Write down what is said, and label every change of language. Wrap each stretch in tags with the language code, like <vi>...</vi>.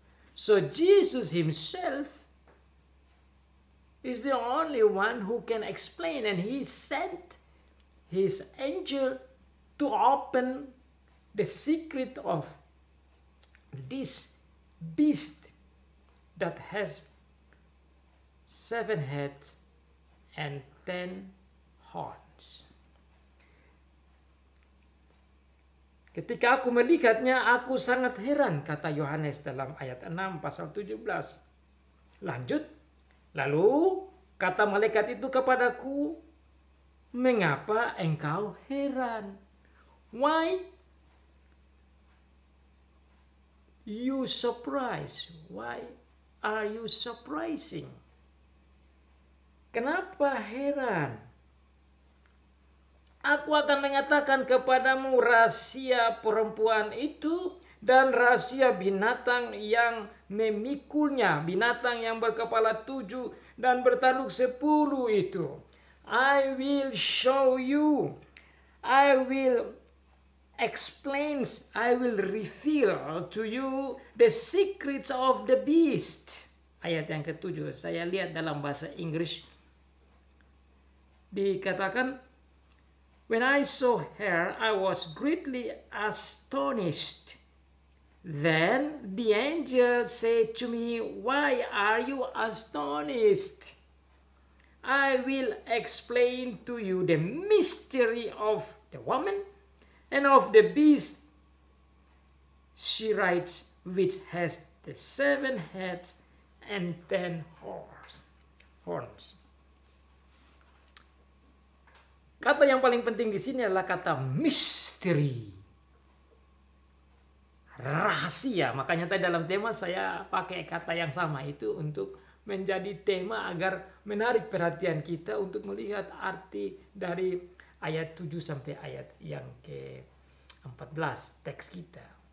<en>So Jesus himself is the only one who can explain, and he sent his angel to open the secret of this beast that has 7 heads and 10 horns.</en> <id>Ketika aku melihatnya, aku sangat heran, kata Yohanes dalam ayat 6 pasal 17. Lanjut, lalu kata malaikat itu kepadaku, mengapa engkau heran?</id> <en>Why you surprised? Why are you surprising?</en> <id>Kenapa heran? Aku akan mengatakan kepadamu rahasia perempuan itu dan rahasia binatang yang memikulnya, binatang yang berkepala 7 dan bertanduk 10 itu.</id> <en>I will show you, I will explain, I will reveal to you the secrets of the beast.</en> <id>Ayat yang ketujuh, saya lihat dalam bahasa Inggris dikatakan,</id> <en>when I saw her, I was greatly astonished. Then the angel said to me, why are you astonished? I will explain to you the mystery of the woman and of the beast, she writes, which has the 7 heads and 10 horns.</en> <id>Kata yang paling penting di sini adalah kata misteri, rahasia. Makanya tadi dalam tema saya pakai kata yang sama itu untuk menjadi tema agar menarik perhatian kita untuk melihat arti dari ayat 7 sampai ayat yang ke-14 teks kita.</id>